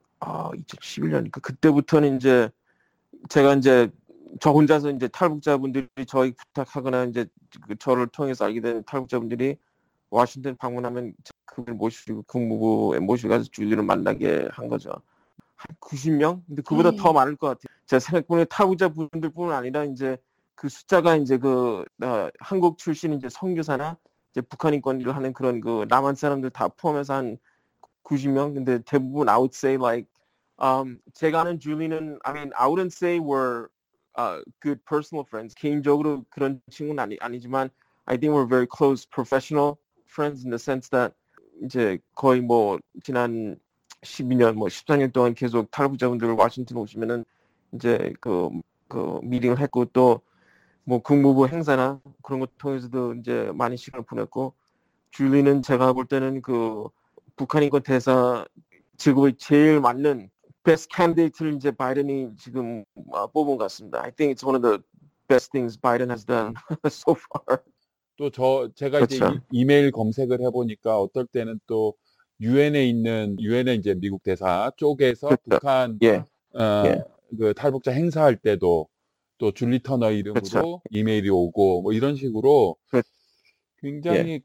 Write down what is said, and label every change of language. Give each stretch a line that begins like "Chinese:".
Korean: 2011년이니까 그때부터는 이제 제가 이제 저 혼자서 이제 탈북자분들이 저희 부탁하거나 이제 그 저를 통해서 알게 된 탈북자분들이 워싱턴 방문하면 그분을 모시고 국무부에 모시고 가서 줄리를 만나게 한 거죠. 한 90명? 근데 그보다 더 많을 것 같아요. 제가 생각보다 탈북자분들 뿐 아니라 이제 그 숫자가 이제 그 한국 출신 이제 선교사나 이제 북한 인권 일을 하는 그런 그 남한 사람들 다 포함해서 한 90명? 근데 대부분
English: I would say like
Korean: 제가 아는 줄리는
English: I mean I wouldn't say we're good personal friends.
Korean: 개인적으로 그런 친구는 아니지만
English: I think we're very close professional friends in the sense that
Korean: 이제 거의 뭐 지난 12년 뭐 14년 동안 계속 탈북자분들 워싱턴 오시면은 이제 그 미팅을 했고 또 뭐 국무부 행사나 그런 것 통해서도 이제 많이 시간을 보냈고 줄리는 제가 볼 때는 그 북한 인권 대사 직업이 제일 맞는 best candidate를 이제 바이든이 지금 뽑은 것 같습니다.
English: I think it's one of the best things Biden has done so far.
Korean: 또 저 제가 그렇죠. 이제 이메일 검색을 해보니까 어떨 때는 또 UN에 있는 UN의 이제 미국 대사 쪽에서 그렇죠. 북한 예. 그 탈북자 행사할 때도 또 줄리 터너 이름으로 그렇죠. 이메일이 오고 뭐 이런 식으로 굉장히 예.